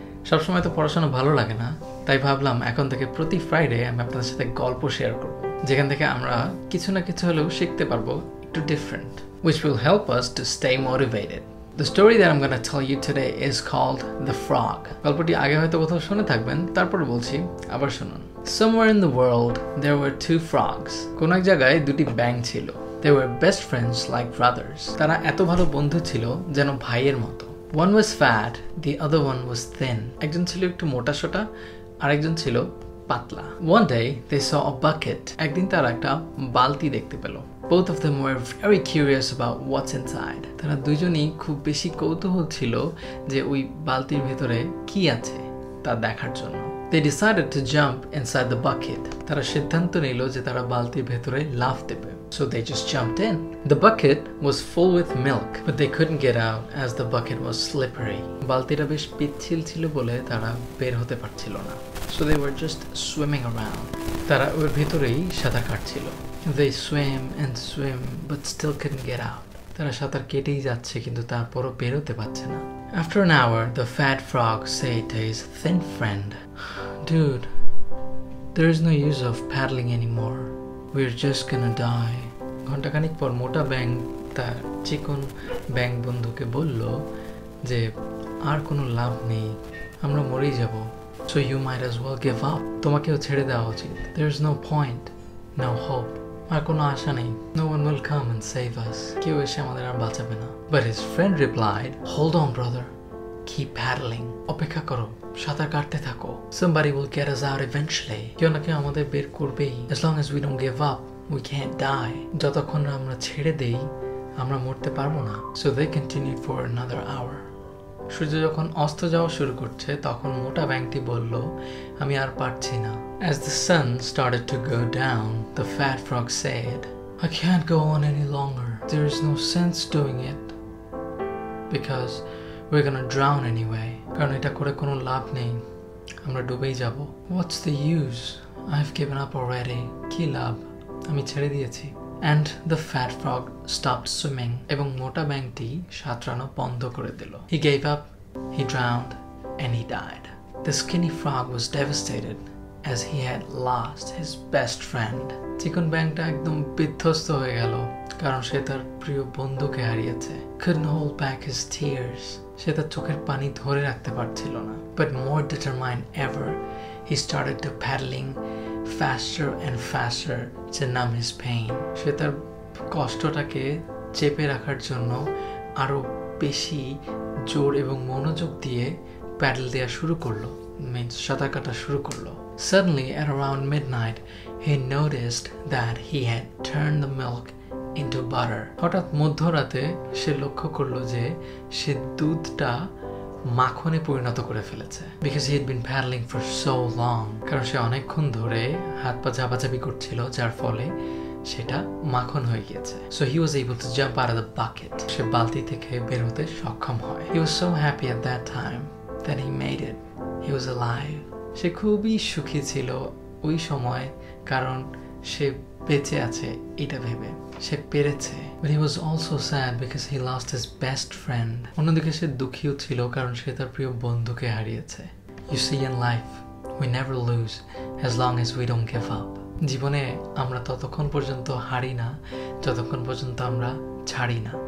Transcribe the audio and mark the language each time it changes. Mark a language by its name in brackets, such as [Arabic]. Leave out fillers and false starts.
[Bangla] সব সময় তো পড়াশোনা ভালো লাগে না, তাই ভাবলাম এখন থেকে প্রতি ফ্রাইডে আমি আপনাদের সাথে গল্প শেয়ার করব, যেখান থেকে আমরা কিছু না কিছু হলেও শিখতে পারবো, একটু different, [English] which will help us to stay motivated. The story that I'm going to tell you today is called The Frog. [Bangla] গল্পটি আগে হয়তো কোথাও শুনে থাকবেন, তারপর বলছি, আবার শুনুন. [English] Somewhere in the world, there were two frogs. [Bangla] কোন এক জায়গায় দুটি ব্যাঙ ছিল. [English] They were best friends like brothers. [Bangla] তারা এত ভালো বন্ধু ছিল যেন ভাইয়ের মতো. [English] One was fat, the other one was thin. [Bangla] একজন ছিল একটু মোটা সোটা, আরেকজন ছিল পাতলা. [English] One day, they saw a bucket. [Bangla] একদিন তারা একটা বালতি দেখতে পেল. [English] Both of them were very curious about what's inside. [Bangla] তারা দুজনেই খুব বেশি কৌতূহল ছিল যে ওই বালতির ভেতরে কি আছে তা দেখার জন্য. [English] They decided to jump inside the bucket. [Bangla] তারা সিদ্ধান্ত নিল যে তারা বালতির ভেতরে লাফ দেবে. [English] So they just jumped in. The bucket was full with milk, but they couldn't get out as the bucket was slippery. [Bangla] বালতিটি বেশ পিচ্ছিল ছিল বলে তারা বের হতে পারছিল না. [English] So they were just swimming around. [Bangla] তারা ওর ভিতরেই সাঁতার কাটছিল. [English] They swam and swam, but still couldn't get out. [Bangla] তারা সাঁতার কেটেই যাচ্ছে কিন্তু তারপরও বের হতে পারছে না. [English] After an hour, the fat frog said to his thin friend, "Dude, there is no use of paddling anymore. We're just gonna die." [Bangla] ঘন্টাখানিক পর মোটা ব্যাং তার চিকন ব্যাং বন্ধুকে বলল যে আর কোনো লাভ নেই, আমরা মরেই যাব. [English] So you might as well give up. [Bangla] তোমাকেও ছেড়ে দেওয়া উচিত. [English] There's no point, no hope. [Bangla] আর কোনো আশা নেই. [English] No one will come and save us. [Bangla] কেউ এসে আমাদের আর বাঁচাবে না. [English] But his friend replied, "Hold on, brother. Keep paddling. [Bangla] অপেক্ষা করো, সাঁতার কাটতে থাকো. [English] Somebody will get us out eventually. [Bangla] কেউ না কেউ আমাদের বের করবেই. [English] As long as we don't give up, we can't die. [Bangla] যতক্ষণ না আমরা ছেড়ে দেই, আমরা মরতে পারবো না. [English] So they continued for another hour. [Bangla] সূর্য যখন অস্ত যাওয়া শুরু করছে তখন মোটা ব্যাংটি বলল, আমি আর পারছি না. [English] As the sun started to go down, the fat frog said, "I can't go on any longer. There is no sense doing it because we're gonna drown anyway. [Bangla] কারণ এটা করে কোনো লাভ নেই, আমরা ডুবেই যাব. [English] What's the use? I've given up already. [Bangla] কি লাভ, আমি ছেড়ে দিয়েছি. [English] And the fat frog stopped swimming. [Bangla] এবং মোটা ব্যাংটি সাঁতরানো বন্ধ করে দিল. [English] He gave up, he drowned, and he died. The skinny frog was devastated as he had lost his best friend. [Bangla] চিকন ব্যাংটা একদম বিধ্বস্ত হয়ে গেল কারণ সে তার প্রিয় বন্ধুকে হারিয়েছে. [English] Couldn't hold back his tears. [Bangla] সে তার চোখের পানি ধরে রাখতে পারছিল না. [English] But more determined ever, he started to paddling faster and faster to numb his pain. [Bangla] সে তার কষ্টটাকে চেপে রাখার জন্য আরো বেশি জোর এবং মনোযোগ দিয়ে প্যাডল দেওয়া শুরু করলো, মিন্স সাঁতার কাটা শুরু করলো. [English] Suddenly at around midnight, he noticed that he had turned the milk into butter. [Bangla] হঠাৎ মধ্যরাতে সে লক্ষ্য করলো যে সে দুধটা মাখনে পরিণত করে ফেলেছে. [English] Because he had been paddling for so long. [Bangla] কারণ সে অনেকক্ষণ ধরে হাত পা ঝাপাঝাপি করছিল যার ফলে সেটা মাখন হয়ে গেছে. [English] So he was able to jump out of the bucket. [Bangla] সে বালতি থেকে বের হতে সক্ষম হয়. [English] He was so happy at that time that he made it. He was alive. [Bangla] সে খুবই সুখী ছিল ওই সময় কারণ সে বেঁচে আছে এটা ভেবে, সে পেরেছে. [English] But he was also sad because he lost his best friend. [Bangla] অন্যদিকে সে দুঃখীও ছিল কারণ সে তার প্রিয় বন্ধুকে হারিয়েছে. [English] You see, in life, we never lose as long as we don't give up. [Bangla] জীবনে আমরা ততক্ষণ পর্যন্ত হারি না যতক্ষণ পর্যন্ত আমরা ছাড়ি না.